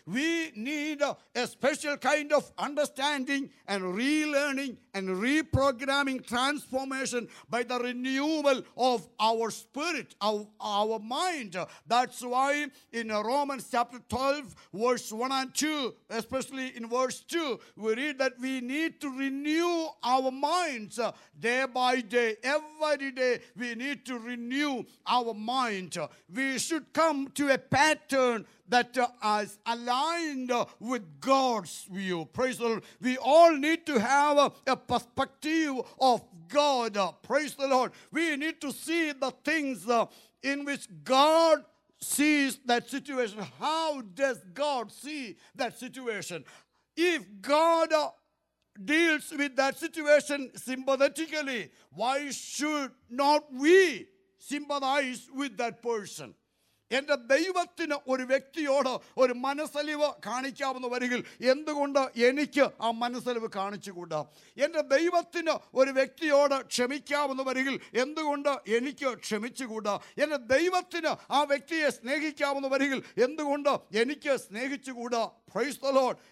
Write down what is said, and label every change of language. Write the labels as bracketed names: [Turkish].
[English] We need a special kind of understanding and relearning and reprogramming transformation by the renewal of our spirit, our mind. That's why in Romans chapter 12 verse 1 and 2, especially in verse 2, we read that we need to renew our minds day by day. Every day we need to renew our mind. We should come to a pattern that is aligned with God's view. Praise the Lord. We all need to have a perspective of God. Praise the Lord. We need to see the things in which God sees that situation. How does God see that situation? If God deals with that situation sympathetically, why should not we sympathize with that person? [Malayalam] എൻ്റെ ദൈവത്തിന് ഒരു വ്യക്തിയോട് ഒരു മനസ്സലിവ് കാണിക്കാമെന്ന് വരികിൽ എന്തുകൊണ്ട് എനിക്ക് ആ മനസ്സലിവ് കാണിച്ചുകൂടാ? എൻ്റെ ദൈവത്തിന് ഒരു വ്യക്തിയോട് ക്ഷമിക്കാമെന്ന് വരികിൽ എന്തുകൊണ്ട് എനിക്ക് ക്ഷമിച്ചുകൂടാ? എൻ്റെ ദൈവത്തിന് ആ വ്യക്തിയെ സ്നേഹിക്കാമെന്ന് വരികിൽ എന്തുകൊണ്ട് എനിക്ക് സ്നേഹിച്ചുകൂടാ? [English] Praise the Lord.